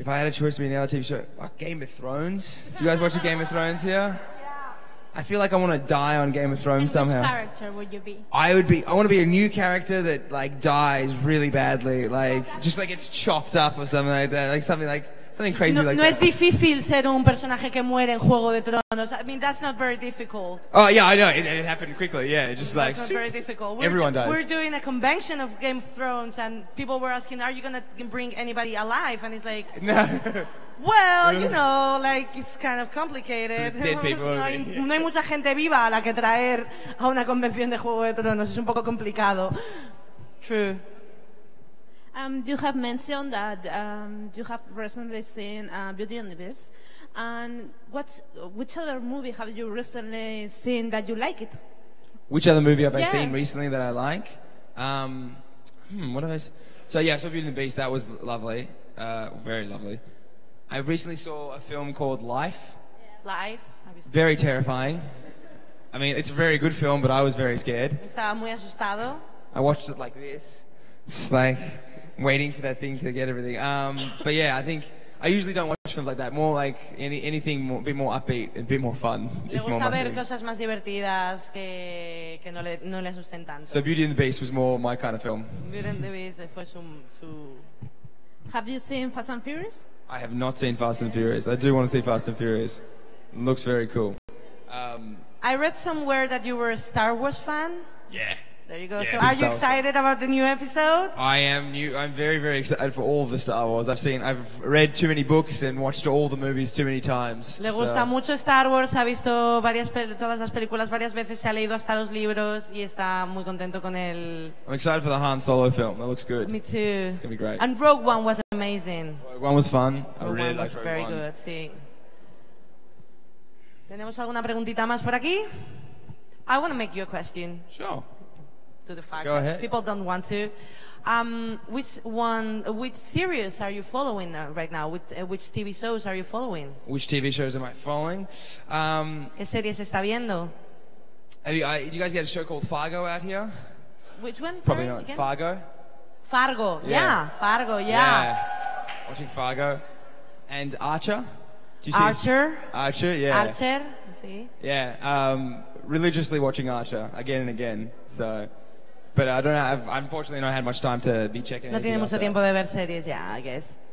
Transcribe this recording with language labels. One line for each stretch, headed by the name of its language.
English: If I had a choice to be in another TV show, like Game of Thrones. Do you guys watch Game of Thrones here? Yeah. I feel like I want to die on Game of Thrones and somehow. Which character would you be? I want to be a new character that like dies really badly, like just like it's chopped up or something like that, like something like. Crazy no, like no that.
Spanish: Es difícil ser un personaje que muere en Juego de Tronos.
English: I mean, that's not very difficult. Oh, yeah, I know. It happened quickly. Yeah, just like not very difficult. Everyone dies. We're doing a convention of Game of Thrones, and people were asking, are you going to bring anybody alive? And it's like, no. Well, you know, like, it's kind of complicated. The dead people.
Spanish: No hay mucha gente viva a la que traer a una convención de Juego de Tronos. Es un poco complicado.
English: True. You have mentioned that you have recently seen Beauty and the Beast. And which other movie have you recently seen that you like it? Which other movie have I seen recently that I like? What have I seen? So Beauty and the Beast, that was lovely. Very lovely. I recently saw a film called Life. Yeah. Life. Obviously. Very terrifying. I mean, it's a very good film, but I was very scared.
Spanish: Estaba muy asustado.
English: I watched it like this. Just like... waiting for that thing to get everything. But yeah, I think I usually don't watch films like that. More like anything, a bit more upbeat, a bit more fun.
Spanish: Me gusta ver cosas más divertidas que no le asusten tanto.
English: So Beauty and the Beast was more my kind of film.
Spanish: Beauty and the Beast fue su.
English: Have you seen Fast and Furious? I have not seen Fast and Furious. I do want to see Fast and Furious. It looks very cool. I read somewhere that you were a Star Wars fan. Yeah. There you go. Yeah, so are you excited about the new episode? I am new. I'm very, very excited for all of the Star Wars. I've read too many books and watched all the movies too many times.
Spanish: Le gusta mucho Star Wars, ha visto todas las películas varias veces, se ha leído hasta los libros y está muy contento con él.
English: I'm excited for the Han Solo film. That looks good. Me too. It's going to be great. And Rogue One was amazing. Rogue One was fun. Rogue I really like Rogue One. Very good, sí.
Spanish: ¿Tenemos alguna preguntita más por aquí?
English: I want to make you a question. Sure. To the fact go ahead. That people don't want to. Which series are you following right now? Which TV shows are you following? Which TV shows am I following?
Spanish: ¿Qué series está viendo?
English: Do you guys get a show called Fargo out here? Which one? Probably sorry, not. Again? Fargo? Fargo, yeah. Fargo, yeah. Yeah. Watching Fargo. And Archer? Archer? Archer, yeah.
Spanish: Archer, sí.
English: Yeah, religiously watching Archer again and again, so... But I don't know, I've unfortunately not had much time to be checking.
Spanish: No tiene mucho tiempo de ver series,
English: yeah, I guess.